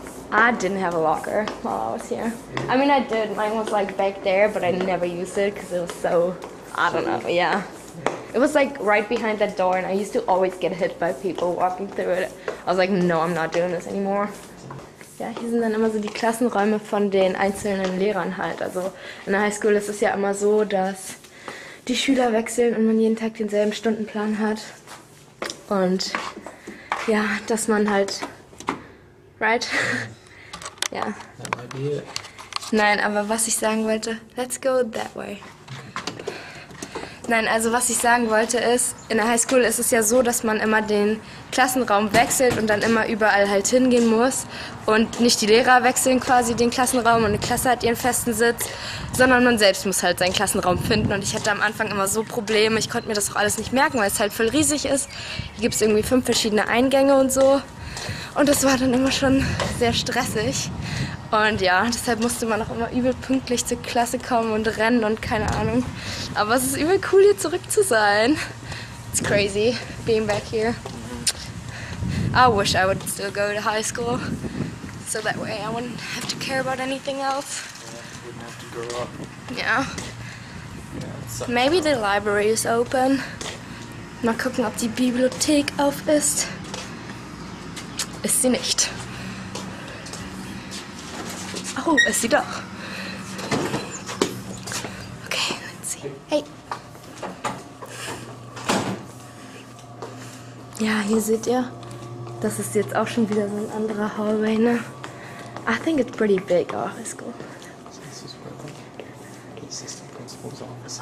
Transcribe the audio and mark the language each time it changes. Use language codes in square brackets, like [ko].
[en] I didn't have a locker while I was here. I mean, I did. Mine was like back there, but I never used it because it was so, I don't know. Yeah. It was like right behind that door, and I used to always get hit by people walking through it. I was like, no, I'm not doing this anymore. [de] ja, hier sind dann immer so die Klassenräume von den einzelnen Lehrern halt. Also in der Highschool ist es ja immer so, dass die Schüler wechseln und man jeden Tag denselben Stundenplan hat. Und ja, dass man halt, [en] right? [de] Ja. Nein, aber was ich sagen wollte, [en] let's go that way. [de] Nein, also was ich sagen wollte ist, in der Highschool ist es ja so, dass man immer den Klassenraum wechselt und dann immer überall halt hingehen muss. Und nicht die Lehrer wechseln quasi den Klassenraum und eine Klasse hat ihren festen Sitz, sondern man selbst muss halt seinen Klassenraum finden. Und ich hatte am Anfang immer so Probleme, ich konnte mir das auch alles nicht merken, weil es halt voll riesig ist. Hier gibt es irgendwie 5 verschiedene Eingänge und so. Und das war dann immer schon sehr stressig. Und ja, deshalb musste man auch immer übel pünktlich zur Klasse kommen und rennen und keine Ahnung. Aber es ist übel cool, hier zurück zu sein. [en] It's crazy, being back here. I wish I would still go to high school. So that way I wouldn't have to care about anything else. Yeah, wouldn't have to grow up. Yeah. Maybe the library is open. [de] Mal gucken, ob die Bibliothek auf ist. Ist sie nicht. Oh, ist sie doch. [en] Okay, let's see. Hey. [de] Ja, hier seht ihr, das ist jetzt auch schon wieder so ein anderer Hallway, ne? [en] I think it's pretty big, our high school. This is where the assistant principal's office is.